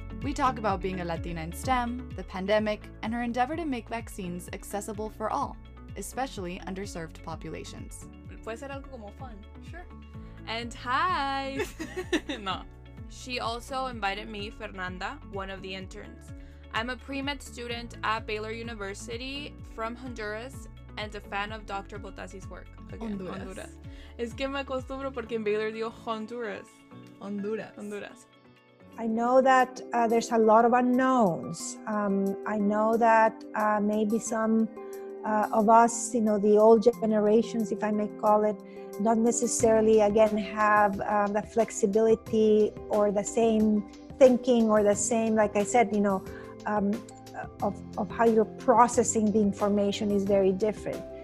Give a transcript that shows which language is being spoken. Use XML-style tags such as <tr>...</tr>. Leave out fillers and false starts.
<en>We talk about being a Latina in STEM, the pandemic, and her endeavor to make vaccines accessible for all, especially underserved populations.</en> <es>Puede ser algo como fun.</es> <en>Sure. And hi! No. She also invited me, Fernanda, one of the interns. I'm a pre-med student at Baylor University from Honduras and a fan of Dr. Botassi's work. Again, Honduras.</en> <es>Es que me acostumbro porque en Baylor dio Honduras.</es> <en>Honduras. I know that there's a lot of unknowns. I know that maybe some of us, the old generations, if I may call it, not necessarily, again, have the flexibility or the same thinking or the same, like I said, of how you're processing the information is very different.</en>